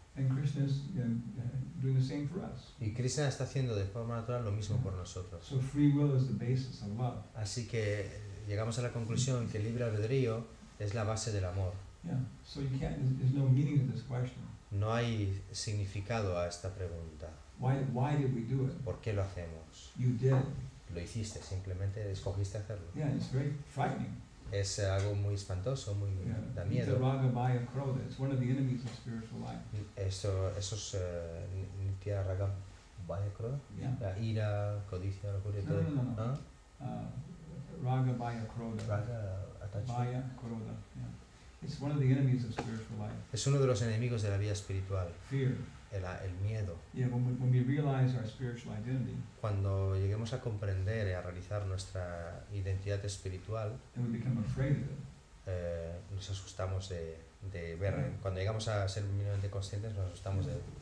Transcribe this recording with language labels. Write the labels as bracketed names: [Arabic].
[English] And Krishna is doing the same for us. [Spanish] Y Krishna está haciendo de forma natural lo mismo por nosotros. [English] So free will is the basis of love. [Spanish] Así que llegamos a la conclusión que el libre albedrío es la base del amor. [English] Yeah. So you can't, there's no meaning to this question. [Spanish] No hay significado a esta pregunta. [English] Why did we do it? [Spanish] ¿Por qué lo hacemos? [English] You did. [Spanish] Lo hiciste, simplemente escogiste hacerlo. [English] Yeah, it's very frightening. [Spanish] Es algo muy espantoso, muy da miedo. [English] Nityaragamaya Krodha, it's one of the enemies of spiritual life. [Spanish] Eso es Nityaragamaya Krodha? [English] Yeah. [Spanish] La ira, codicia, locura y todo. No. ¿Ah? Ragamaya Krodha. Ragamaya [English] Krodha, yeah. It's one of the enemies of spiritual life. [Spanish] Es uno de los enemigos de la vida espiritual. [English] Fear. [Spanish] El miedo. [English] Yeah, when we realize our spiritual identity, [Spanish] cuando lleguemos a comprender y a realizar nuestra identidad espiritual, [English] then we become afraid of it. [Spanish] Nos asustamos de ver. Right. Cuando llegamos a ser minimamente conscientes, nos asustamos de.